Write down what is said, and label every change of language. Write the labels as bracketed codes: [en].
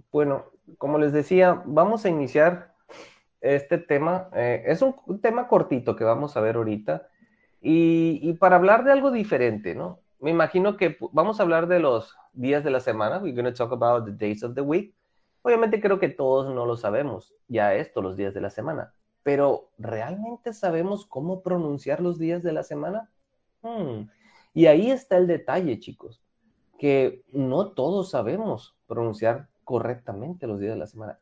[es] Bueno, como les decía, vamos a iniciar este tema. Es un tema cortito que vamos a ver ahorita. Y para hablar de algo diferente, ¿no? Me imagino que vamos a hablar de los días de la semana. [en] We're going to talk about the days of the week. [es] Obviamente creo que todos no lo sabemos ya esto, los días de la semana. Pero ¿realmente sabemos cómo pronunciar los días de la semana? Y ahí está el detalle, chicos, que no todos sabemos pronunciar correctamente los días de la semana.